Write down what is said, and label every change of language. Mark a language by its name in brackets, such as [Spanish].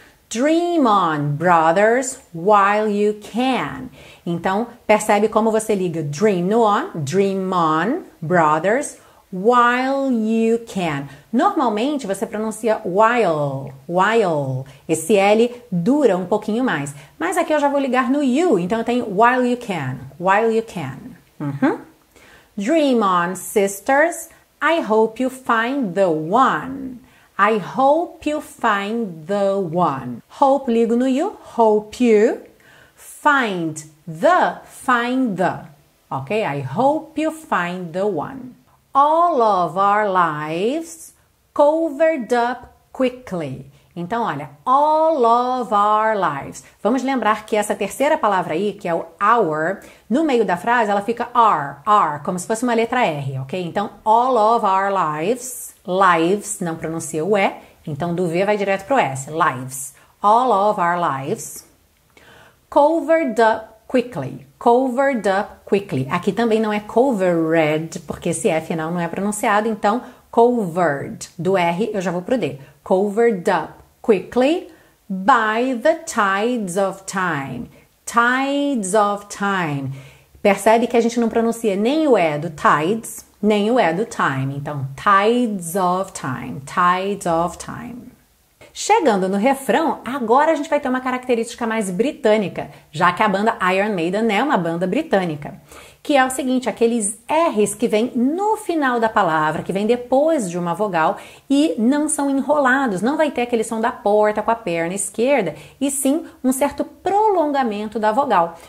[English] Dream on, brothers, while you can. [Portuguese] Então, percebe como você liga dream no on, [English] dream on, brothers, while you can. [Portuguese] Normalmente, você pronuncia while, while. Esse L dura um pouquinho mais. Mas aqui eu já vou ligar no you, então eu tenho [English] while you can, while you can. [Portuguese] Uhum. [English] Dream on, sisters, I hope you find the one. I hope you find the one. Hope, [Portuguese] ligo no [English] you. Hope you find the, find the. Ok? I hope you find the one. All of our lives covered up quickly. [Portuguese] Então, olha, [English] all of our lives. [Portuguese] Vamos lembrar que essa terceira palavra aí, que é o our, no meio da frase ela fica r, r, como se fosse uma letra R, ok? Então, [English] all of our lives, [Portuguese] lives, não pronuncia o E, então do V vai direto pro S, lives. [English] all of our lives, covered up quickly. Covered up quickly. [Portuguese] Aqui também não é covered, porque esse F final não é pronunciado, então covered. Do R eu já vou pro D. [English] Covered up quickly by the tides of time. Tides of time. [Portuguese] Percebe que a gente não pronuncia nem o E do tides, nem o E do time. [English] Então, tides of time. Tides of time. [Portuguese] Chegando no refrão, agora a gente vai ter uma característica mais britânica, já que a banda Iron Maiden é uma banda britânica, que é o seguinte, aqueles R's que vêm no final da palavra, que vêm depois de uma vogal e não são enrolados, não vai ter aquele som da porta com a perna esquerda, e sim um certo prolongamento da vogal.